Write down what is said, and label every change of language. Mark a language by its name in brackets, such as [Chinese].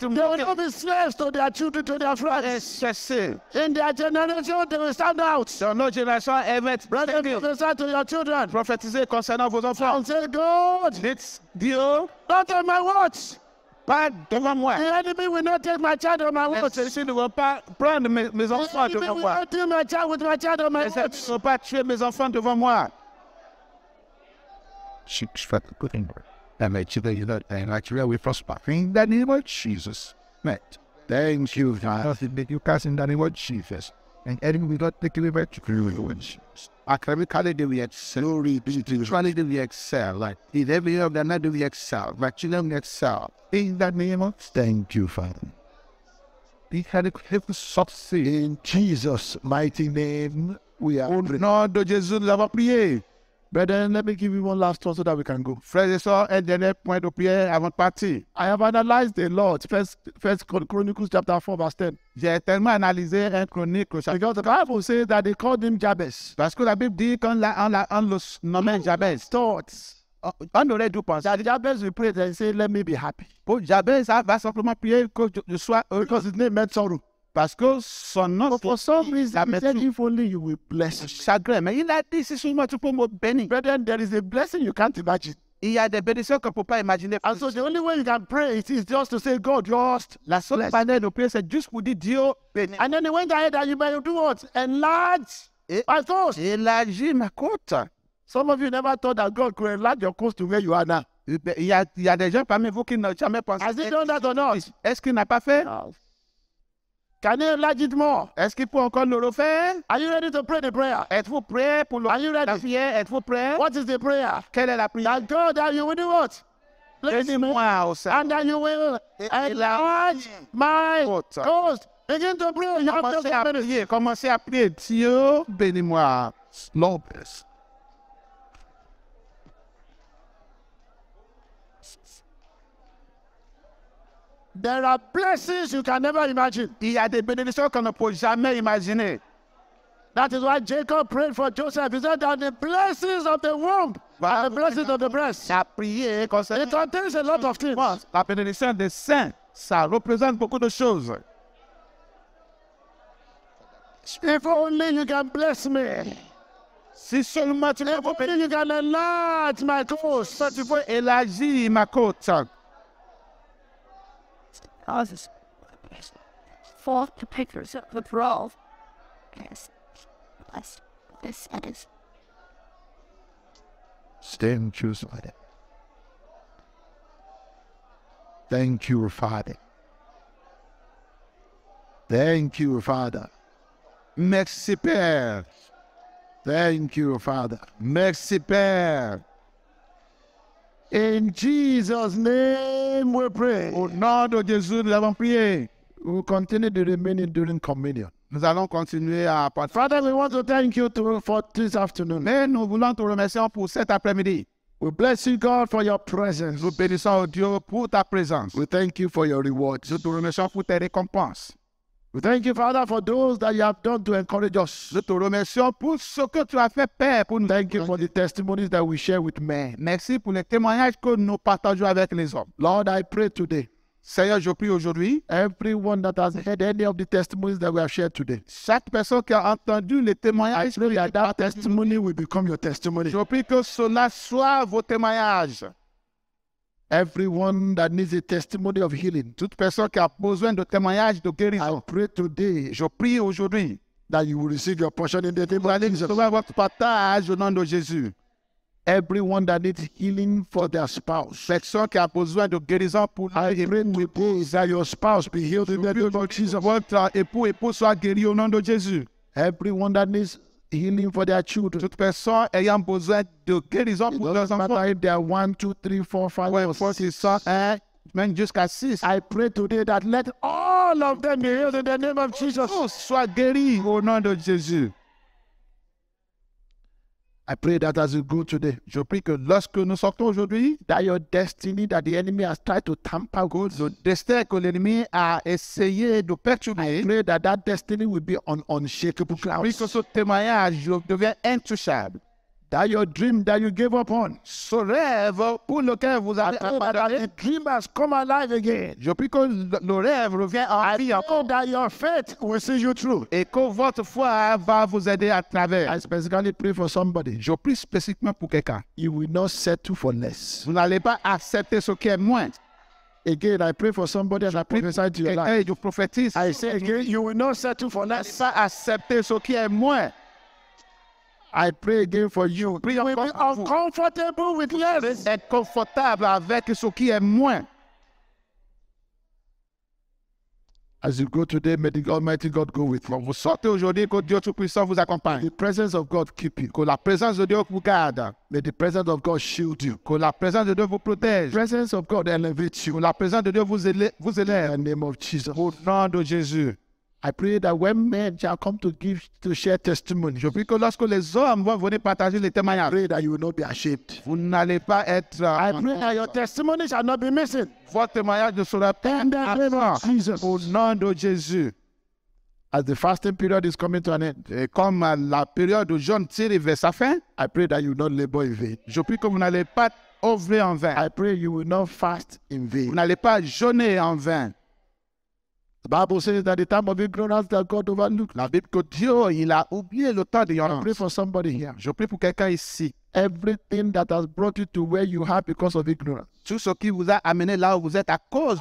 [English] They will not be slaves to their children, to their friends. Yes, in their generation, they will stand out. [French] Dans nos générations, ils vont être. [English] Brother, prophesy to your children. [French] Prophétisez concernant vos enfants. [English] And say, God. It's Dieu. Not on my words. [French] Pas devant moi. [English] The enemy will not take my child or my wife. [French] Les ennemis ne vont pas prendre mes enfants devant moi. [English] The enemy will not kill my child with my child or my wife. [French] Les ennemis ne vont pas tuer mes enfants devant moi. Je fais le [English] good in her. And my children, you know, and actually, we prosper. In the name of Jesus. Met. Thank you, God. Nothing but you cast in the name of Jesus. And enemy will not take away my children. Academically, do we excel? Glory be to God. Spiritually, do we excel? Like, in every year of the night, do we excel? My children excel. In that name of thank you, Father. Be had a heavenly success. In Jesus' mighty name, we are praying. [French] Au nom de Jésus, nous avons prié. [English] Brethren, let me give you one last thought so that we can go. [French] Frères et dernier point de prière avant de partir. [English] I have analyzed the law. First Chronicles chapter 4 verse 10. [French] J'ai tellement analysé un chronique. [English] Because the Bible says that they called him Jabez. [French] Parce que la Bible dit qu'on le nommait Jabez. [English] Thoughts. [French] On aurait dû penser. [English] That Jabez will pray and say, let me be happy. [French] Pour Jabez, il va simplement prier que je sois heureux. [English] Because his name meant sorrow. [French] Parce que son nom, [English] but for some reason, he said, if only you will bless me. [French] Chagrin, mais il a dit, si seulement tu peux me bénir. [English] Brethren, there is a blessing you can't imagine. [French] Il y a des bénédictions qu'on ne peut pas imaginer. [English] And so the only way you can pray is just to say, God, just [French] la seule manière de prier, c'est juste pour dire, Dieu, bénis. [English] And then he went ahead and you may do what? Enlarge my thoughts. [French] Élargis ma côte. [English] Some of you never thought that God could enlarge your coast to where you are now. [French] Il y a des gens parmi vous qui n'ont jamais pensé. [English] Has he done that or not? [French] Est-ce qu'il n'a pas fait? [English] No. Can he enlarge it more? [French] Est-ce qu'il peut encore le refaire? [English] Are you ready to pray the prayer? [French] Êtes-vous prêt pour [English] Are you ready? [French] La prière? Êtes-vous prêt? [English] What is the prayer? [French] Quelle est la prière? [English] That God, that you will do what? [French] Bénis-moi, au sein. [English] And that you will enlarge my coast. Begin to pray. [French] Commencez à prier. Dieu, bénis-moi. Slopez. [English] There are blessings you can never imagine. [French] Il y a des bénédictions qu'on ne peut jamais imaginer. [English] That is why Jacob prayed for Joseph. He said that the blessings of the womb are the blessings of the breast. [French] Il a prié concernant. [English] It contains a lot of things. [French] La bénédiction des saints, ça représente beaucoup de choses. [English] If only you can bless me. [French] Si seulement tu peux bénir. [English] If only you can enlarge my coast. [French] Si tu peux élargir ma côte. [English] Causes for the pictures of the brawl. Yes, bless this that is. Stay and choose with it. Thank you, Father. Thank you, Father. [French] Merci, Père. [English] Thank you, Father. [French] Merci, Père. [English] In Jesus' name we pray. [French] Au nom de Jésus, nous avons prié. [English] We will continue to remain during communion. [French] Nous allons continuer à partager. [English] Father, we want to thank you for this afternoon. [French] Mais nous voulons te remercier pour cet après-midi. [English] We bless you, God, for your presence. [French] Nous bénissons Dieu pour ta présence. [English] We thank you for your rewards. [French] Nous te remercions pour tes récompenses. [English] We thank you, Father, for those that you have done to encourage us. [French] Nous te remercions pour ce que tu as fait, Père. Pour nous. [English] Thank you for the testimonies that we share with men. [French] Merci pour les témoignages que nous partageons avec les hommes. [English] Lord, I pray today. [French] Seigneur, je prie aujourd'hui. [English] Everyone that has heard any of the testimonies that we have shared today. [French] Chaque personne qui a entendu les témoignages. [English] I pray that that testimony will become your testimony. [French] Je prie que cela soit vos témoignages. [English] Everyone that needs a testimony of healing, [French] toute personne qui a besoin de témoignage de guérison, [English] I pray today, [French] je prie aujourd'hui, [English] that you will receive your portion in the name of Jesus. [French] Tu vas votre partage au nom de Jésus. [English] Everyone that needs healing for their spouse, [French] personne qui a besoin de guérison pour [English] I pray today that your spouse be healed in the name of Jesus. [French] Votre époux soit guéri au nom de Jésus. [English] Everyone that needs healing for their children. [French] Toute personne ayant besoin de guérison pour leurs enfants. [English] They are 1, 2, 3, 4, 5, [French] 4, 6, 7, même jusqu'à 6. [English] I pray today that let all of them be healed in the name of Jesus. [French] Tous soient guéris au nom de Jésus. [English] I pray that as you go today, [French] je prie que lorsque nous sortons aujourd'hui, [English] that your destiny that the enemy has tried to tamper with, [French] le destin que l'ennemi a essayé de perturber, [English] I pray that that destiny will be on unshakable clouds. [French] Je prie que ce témoignage devienne intouchable. [English] That your dream that you gave up on, [French] ce rêve pour lequel vous avez abandonné, [English] the dream has come alive again. [French] Je prie que le rêve revienne en vie. [English] I pray that your faith will see you through. [French] Et que votre foi va vous aider à travers. [English] I specifically pray for somebody. [French] Je prie spécifiquement pour quelqu'un. [English] You will not settle for less. [French] Vous n'allez pas accepter ce qui est moins. [English] Again, I pray for somebody as I prophesy to your life. [French] Je prophétise. [English] I say again, you will not settle for less. [French] Vous n'allez pas accepter ce qui est moins. [English] I pray again for you. Please be uncomfortable with less. [French] Être confortable avec ce qui est moins. [English] As you go today, may the Almighty God go with you. [French] Quand vous sortez aujourd'hui, que Dieu Tout-Puissant vous accompagne. [English] The presence of God keep you. [French] Que la présence de Dieu vous garde. [English] May the presence of God shield you. [French] Que la présence de Dieu vous protège. [English] The presence of God elevate you. [French] Que la présence de Dieu vous élève. [English] In the name of Jesus. [French] Au nom de Jésus. [English] I pray that when men shall come to give to share testimony, [French] je prie que lorsque les hommes vont venir partager les témoignages, [English] I pray that you will not be ashamed. [French] Vous n'allez pas être. [English] I pray that your testimony shall not be missing. [French] Votre témoignage ne sera pas absent. Jesus. Au nom de Jésus. [English] As the fasting period is coming to an end, [French] et comme la période du jeûne tire vers sa fin, [English] I pray that you will not labor in vain. [French] Je prie que vous n'allez pas œuvrer en vain. [English] I pray you will not fast in vain. [French] Vous n'allez pas jeûner en vain. [English] The Bible says that the time of ignorance that God overlooked. [French] La Bible que Dieu il a oublié le temps d'ignorance. [English] I pray for somebody here. [French] Je prie pour quelqu'un ici. [English] Everything that has brought you to where you are because of ignorance. [French] Tout ce qui vous a amené là où vous êtes à cause